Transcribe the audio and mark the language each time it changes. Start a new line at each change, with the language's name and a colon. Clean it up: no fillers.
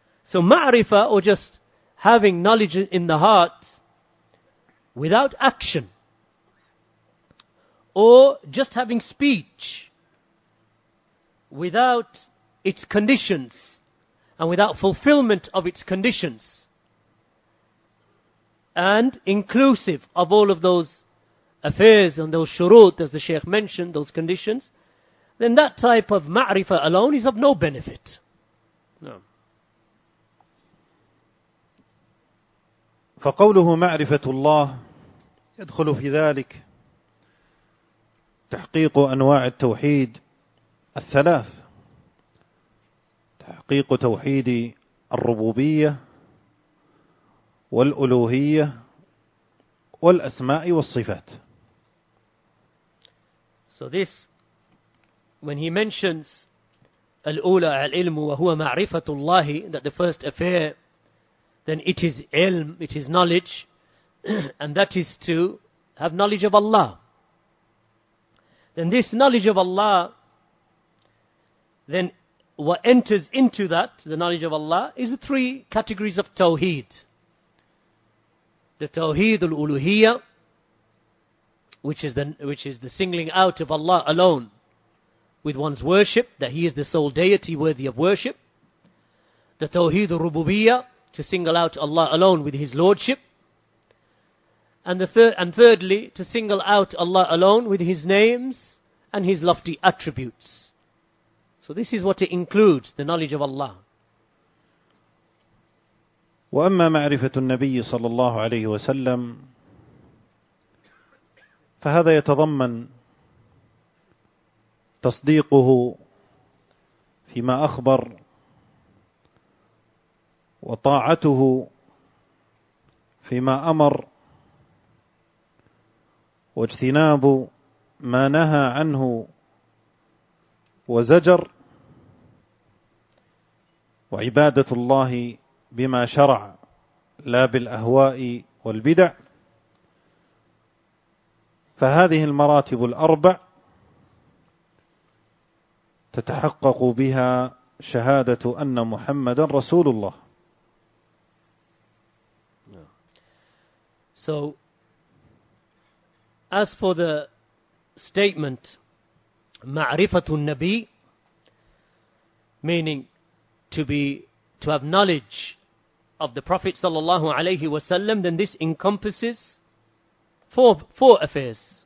English: So ma'rifa, or just having knowledge in the heart without action, or just having speech without its conditions and without fulfillment of its conditions, and inclusive of all of those affairs and those shurut, as the Shaykh mentioned, those conditions, then that type of ma'rifa alone is of no benefit. No.
Arabic: فقوله معرفة الله يدخل في ذلك تحقيق أنواع التوحيد الثلاث: تحقيق توحيد الربوبية والألوهية والأسماء والصفات.
English: So this, when he mentions
Arabic: الأولى العلم وهو معرفة الله,
English: that the first affair, then it is ilm, it is knowledge, and that is to have knowledge of Allah. Then this knowledge of Allah, then what enters into that, the knowledge of Allah, is the three categories of Tawheed. The Tawheed al-Uluhiyya, which is the singling out of Allah alone with one's worship, that He is the sole deity worthy of worship. The Tawheed al-Rububiyya, to single out Allah alone with His Lordship. And thirdly, to single out Allah alone with His names and His lofty attributes. So this is what it includes, the knowledge of Allah.
Arabic: وأما معرفة النبي صلى الله عليه وسلم فهذا يتضمن تصديقه فيما أخبر وطاعته فيما أمر واجتناب ما نهى عنه وزجر وعبادة الله بما شرع لا بالأهواء والبدع. فهذه المراتب الأربع تتحقق بها شهادة أن محمدا رسول الله.
English: So as for the statement
Arabic: معرفة النبي,
English: meaning to have knowledge of the Prophet sallallahu alayhi wa sallam, then this encompasses four affairs.